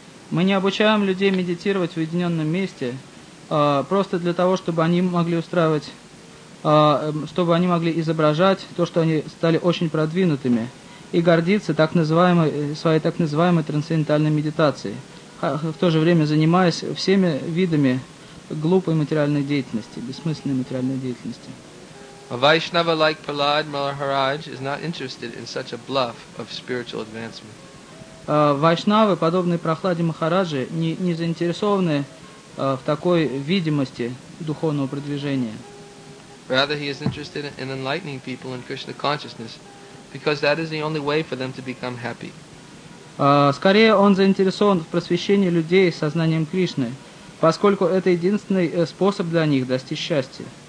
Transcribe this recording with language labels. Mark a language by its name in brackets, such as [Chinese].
[Russian] Мы не обучаем людей медитировать в уединенном месте просто для того, чтобы они могли изображать то, что они стали очень продвинутыми, и гордиться своей так называемой трансцендентальной медитацией, в то же время занимаясь всеми видами глупой материальной деятельности, бессмысленной материальной деятельности. [English] A Vaishnava like Prahlad Maharaj is not interested in such a bluff of spiritual advancement. [Russian] Вайшнавы, подобные Прохладе Махараджи, не заинтересованы в такой видимости духовного продвижения. [English] Rather, he is interested in enlightening people in Krishna consciousness, because that is the only way for them to become happy. [Russian] Скорее, он заинтересован в просвещении людей сознанием Кришны, поскольку это единственный способ для них достичь счастья.